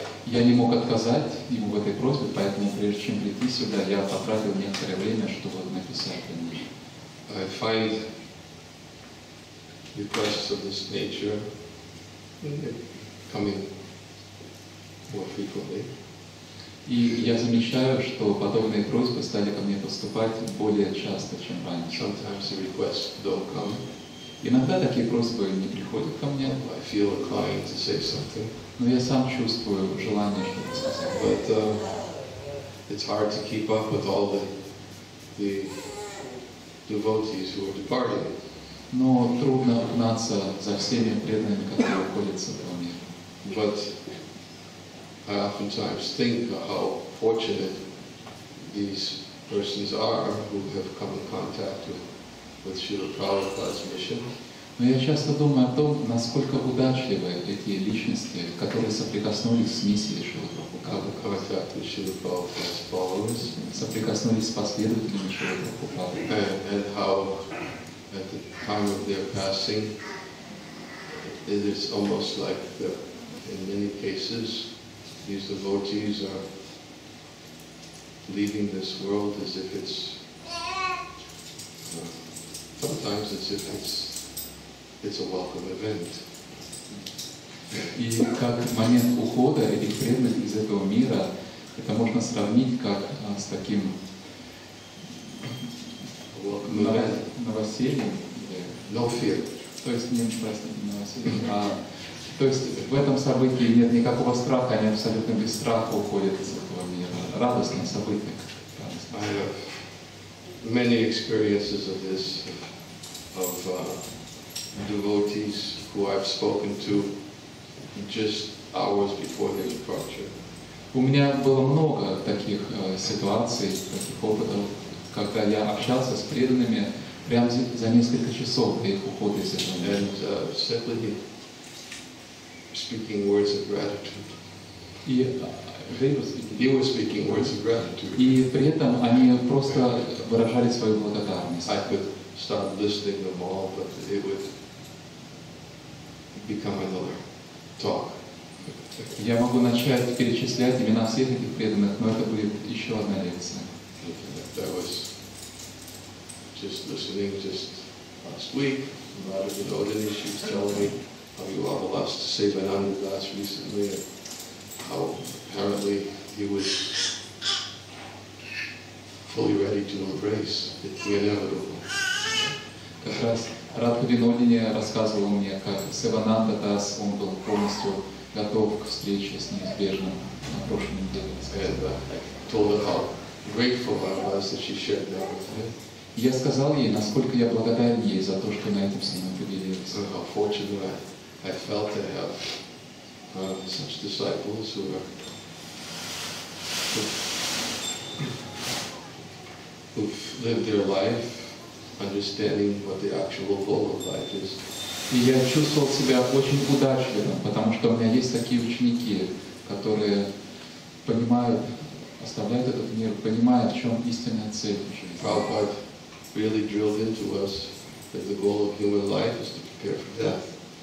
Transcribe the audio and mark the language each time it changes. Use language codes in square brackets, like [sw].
[ru] Я не мог отказать ему в этой просьбе, поэтому прежде чем прийти сюда, я потратил некоторое время, чтобы написать о ней. [en] I find requests of this nature coming more frequently. [ru] И я замечаю, что подобные просьбы стали ко мне поступать более часто, чем раньше. [en] Sometimes the requests don't come. [ru] Иногда такие просьбы не приходят ко мне. [en] I feel inclined to say something. [ru] Но я сам чувствую желание что-то сказать. [en] But it's hard to keep up with all the devotees who are departing. [ru] Но трудно угнаться за всеми преданными, которые уходят с этого мира. [en] But I oftentimes think how fortunate these persons are who have come in contact with Srila Prabhupada's mission. [ru] Но я часто думаю о том, насколько удачливы эти личности, которые соприкоснулись с миссией Шрилы Прабхупады, соприкоснулись с последователями Шрилы Прабхупады. [en] And how at the time of their passing it is almost like the, in many cases these devotees are leaving this world as if it's sometimes it's if it's a welcome event. [ru] И как момент ухода этих преданных из этого мира, это можно сравнить как с таким новосельем. [en] No fear. [ru] То есть нет новосельем. То есть в этом событии нет никакого страха, они абсолютно без страха уходят из этого мира. Радостное событие. [en] I have many experiences of this. Of devotees who I've spoken to just hours before their departure. [ru] У меня было много таких ситуаций, таких опытов, когда я общался с преданными прямо за несколько часов до их ухода из этого мира. [en] And simply speaking words of gratitude. [ru] И [en] they were speaking words of gratitude. [ru] И при этом они просто выражали свою благодарность. [en] Start listing them all, but it would become another talk. [ru] Я могу начать перечислять имена всех этих преданных, но это будет еще одна лекция. [en] I was just listening just last week. Mother Vinodini, she was telling me how you all lost Sivananda Das recently, and how apparently he was fully ready to embrace the inevitable. [ru] Как раз Радха Винодини рассказывал мне, как Севананда Дас, он был полностью готов к встрече с неизбежным на прошлой неделе. [en] And, told her how grateful I was that she shared that with me. [ru] Я сказал ей, насколько я благодарен ей за то, что на этом со мной поделилась. [en] And how fortunate I felt to have such disciples who are who've lived their life understanding what the actual goal of life is. [ru] И я чувствовал себя очень удачливым, потому что у меня есть такие ученики, которые понимают, оставляют этот мир, понимают, в чем истинная цель жизни. [en] Prabhupada really drilled into us that the goal of human life is to prepare for death.